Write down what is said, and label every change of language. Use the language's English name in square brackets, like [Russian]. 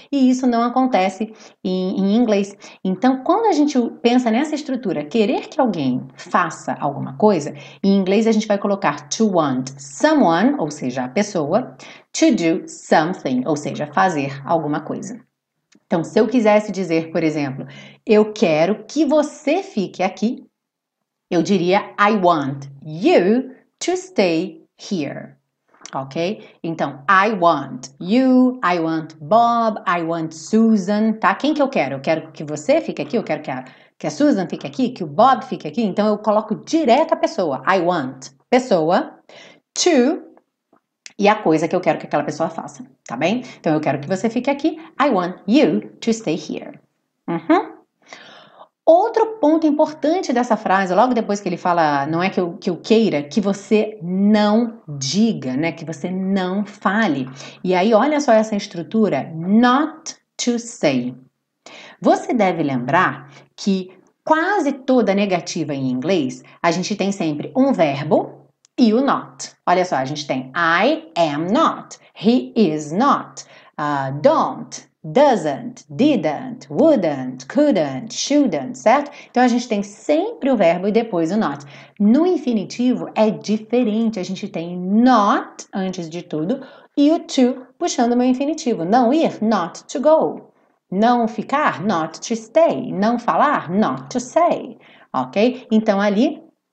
[Portuguese] E isso não acontece em inglês. Então, quando a gente pensa nessa estrutura, querer que alguém faça alguma coisa, em inglês a gente vai colocar to want someone, ou seja, a pessoa, to do something. Ou seja, fazer alguma coisa. Então, se eu quisesse dizer, por exemplo, eu quero que você fique aqui, eu diria I want you to stay here. Ok? Então, I want you, I want Bob, I want Susan, tá? Quem que eu quero? Eu quero que você fique aqui, eu quero que a Susan fique aqui, que o Bob fique aqui. Então, eu coloco direto a pessoa, I want pessoa to. E a coisa que eu quero que aquela pessoa faça, tá bem? Então eu quero que você fique aqui. [English] I want you to stay here. [Portuguese] Outro ponto importante dessa frase, logo depois que ele fala, não é que eu queira, que você não diga, né? Que você não fale. E aí, olha só essa estrutura, not to say. Você deve lembrar que quase toda negativa em inglês, a gente tem sempre um verbo. E o not. Olha só, a gente tem I am not, he is not, don't, doesn't, didn't, wouldn't, couldn't, shouldn't, certo? Então a gente tem sempre o verbo e depois o not. No infinitivo é diferente, a gente tem not antes de tudo e o to puxando o meu infinitivo. Não ir, not to go. Não ficar, not to stay. Não falar, not to say. Ok? Então ali.